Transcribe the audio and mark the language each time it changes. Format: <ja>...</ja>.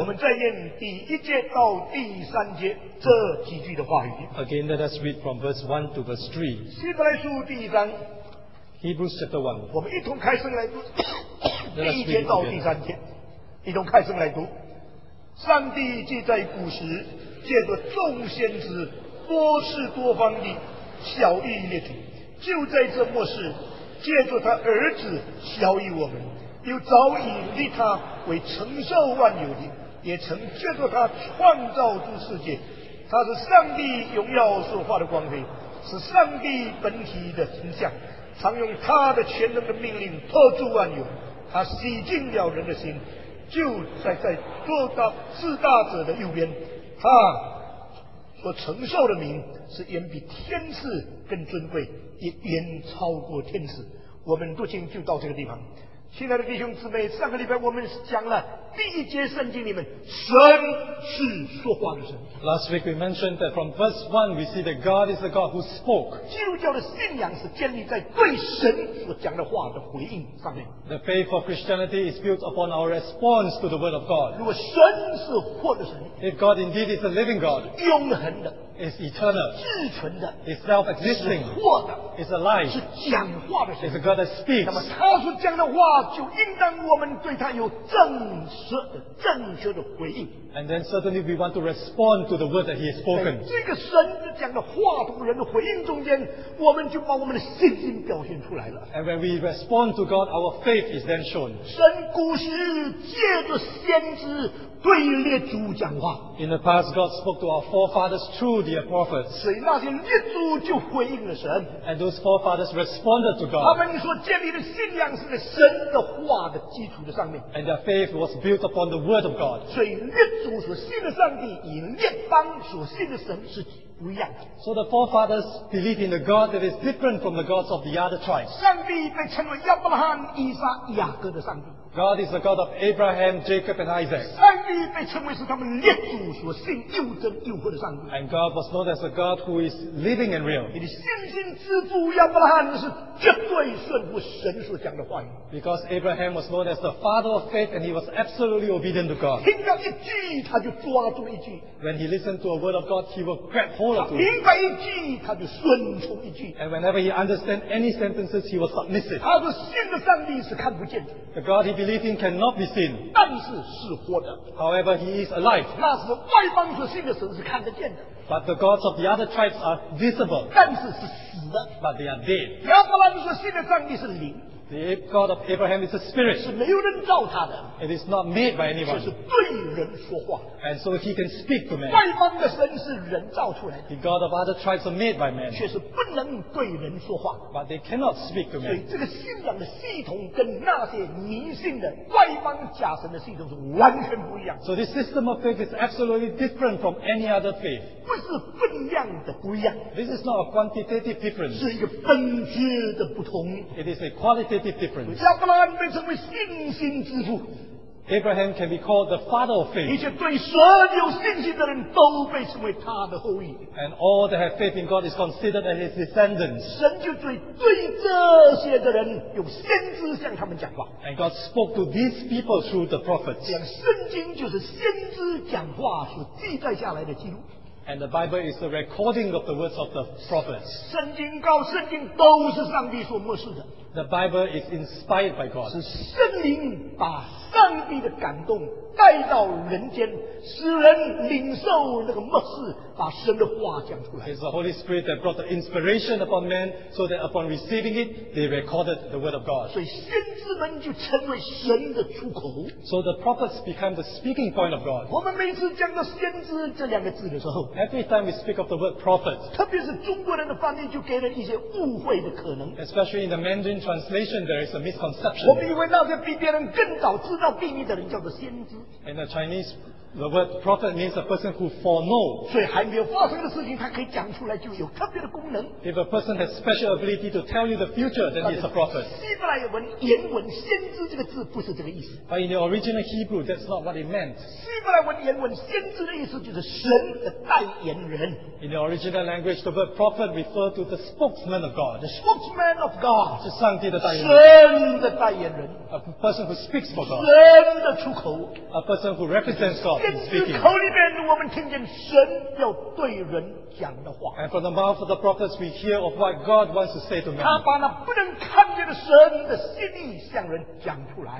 <zh>我们再念第一节到第三节这几句的话语。</zh> <en>Again, let us read from verse 1 to verse 3.</en> <zh>希伯来书第一章。</zh> <en>Hebrews chapter 1.</en> <zh>我们一同开声来读。第一节到第三节。一同开声来读。上帝既在古时借着众先知多事多方的晓谕列祖，就在这末世借着他儿子晓谕我们，又早已立他为承受万有的，也曾借着他创造诸世界。他是上帝荣耀所化的光辉，是上帝本体的形象，常用他的全能的命令托住万有。他洗净了人的心，就在做到至大者的右边。他所承受的名是远比天赐更尊贵，也远超过天赐。我们读经就到这个地方。亲爱的弟兄姊妹，上个礼拜我们讲了第一节圣经里面神是说话的神。</zh> <en>Last week we mentioned that from verse 1 we see that God is the God who spoke.</en> <zh>基督教的信仰是建立在对神所讲的话的回应上面。</zh> <en>The faith of Christianity is built upon our response to the word of God.</en> <zh>如果神是活的神，</zh> <en>If God indeed is a living God,</en> <zh>是永恒的，</zh> <en>is eternal,</en> <zh>至存的，</zh> <en>is self-existing,</en> <zh>是活的，</zh> <en>is alive,</en> <zh>是讲话的神，</zh> <en>is a God that speaks.</en> <zh>那么他说这样的话，就应当我们对他有正确的回应。</zh> <en>And then certainly we want to respond to the word that he has spoken.</en> <zh>这个神讲的话，从人的回应中间，我们就把我们的信心表现出来了。</zh> <en>And when we respond to God, our faith is then shown.</en> <zh>神古时借着先知对列祖讲话。</zh> <en>In the past, God spoke to our forefathers through the prophets.</en> <zh>所以那些列祖就回应了神。</zh> <en>And those forefathers responded to God.</en> <zh>他们所建立的信仰是在神的话的基础的上面。</zh> <en>And their faith was built upon the word of God.</en> <zh>所以列祖所信的上帝与列邦所信的神是不一样的。</zh> <en>So the forefathers believe in the God that is different from the gods of the other tribes.</en> <zh>上帝被称为亚伯拉罕、以撒、雅各的上帝。</zh> <en>God is the God of Abraham, Jacob, and Isaac.</en> <zh>上帝被称为是他们列祖所信又真又活的上帝。</zh> <en>And God was known as a God who is living and real.</en> <zh>你的信心之父亚伯拉罕是绝对顺服神所讲的话语。</zh> <en>Because Abraham was known as the father of faith, and he was absolutely obedient to God.</en> <zh>听到一句，他就抓住一句。</zh> <en>When he listened to a word of God, he would grab hold of it.</en> <zh>明白一句，他就顺从一句。</zh> <en>And whenever he understood any sentences, he was submissive.</en> <zh>他说信的上帝是看不见的。</zh> <en>The God he believing cannot be seen.</en> <zh>但是是活的。</zh> <en>However, he is alive.</en> <zh>那是外邦所信的神是看得见的。</zh> <en>But the gods of the other tribes are visible.</en> <zh>但是是死的。</zh> <en>But they are dead.</en> <zh>亚伯拉罕所信的上帝是灵。</zh> <en>The God of Abraham is a spirit.</en> <zh>是没有人造他的。</zh> <en>It is not made by anyone.</en> <zh>是对人说话。</zh> <en>And so he can speak to men.</en> <zh>外邦的神是人造出来的。</zh> <en>The God of other tribes are made by men.</en> <zh>却是不能对人说话。</zh> <en>But they cannot speak to men.</en> <zh>所以这个信仰的系统跟那些迷信的外邦假神的系统是完全不一样。</zh> <en>So this system of faith is absolutely different from any other faith.</en> <zh>不是分量的不一样。</zh> <en>This is not a quantitative difference.</en> <zh>是一个本质的不同。</zh> <en>It is a qualitative difference.</en> <zh>亚伯拉罕被称为信心之父。</zh> <en>Abraham can be called the father of faith.</en> <zh>一切对神有信心的人都被称为他的后裔。</zh> <en>And all that have faith in God is considered as his descendants.</en> <zh>神就对这些的人用先知向他们讲话。</zh> <en>And God spoke to these people through the prophets.</en> <zh>这样圣经就是先知讲话所记载下来的记录。</zh> <en>And the Bible is the recording of the words of the prophets.</en> <zh>圣经告圣经都是上帝所默示的。</zh> <en>The Bible is inspired by God.</en> <zh>是圣灵把上帝的感动带到人间，使人领受那个默示，把神的话讲出来。</zh> <en>It's the Holy Spirit that brought the inspiration upon men, so that upon receiving it, they recorded the word of God.</en> <zh>所以先知们就成为神的出口。</zh> <en>So the prophets become the speaking point of God.</en> <zh>我们每次讲到先知这两个字的时候，</zh> <en>every time we speak of the word prophet,</en> <zh>特别是中国人的翻译就给了一些误会的可能。</zh> <en>Especially in the Mandarin translation, there is a misconception.</en> <zh>我们以为那些比别人更早知道秘密的人叫做先知。</zh> <en>In the Chinese The word prophet means a person who foreknow.</en> <zh>所以还没有发生的事情，他可以讲出来，就有特别的功能。</zh> <en>If a person has special ability to tell you the future, then he's a prophet.</en> <zh>希伯来文言文先知这个字不是这个意思。</zh> <en>But in the original Hebrew, that's not what it meant.</en> <zh>希伯来文言文先知的意思就是神的代言人。</zh> <en>In the original language, the word prophet referred to the spokesman of God. The spokesman of God.</en> <zh>是上帝的代言人。神的代言人。</zh> <en>A person who speaks for God.</en> <zh>神的出口。</zh> <en>A person who represents God.</en> <zh>口里面我们听见神要对人讲的话。</zh> <en>And from the mouth of the prophets, we hear of what God wants to say to men.</en> <zh>他把那不能看见的神的心意向人讲出来。</zh>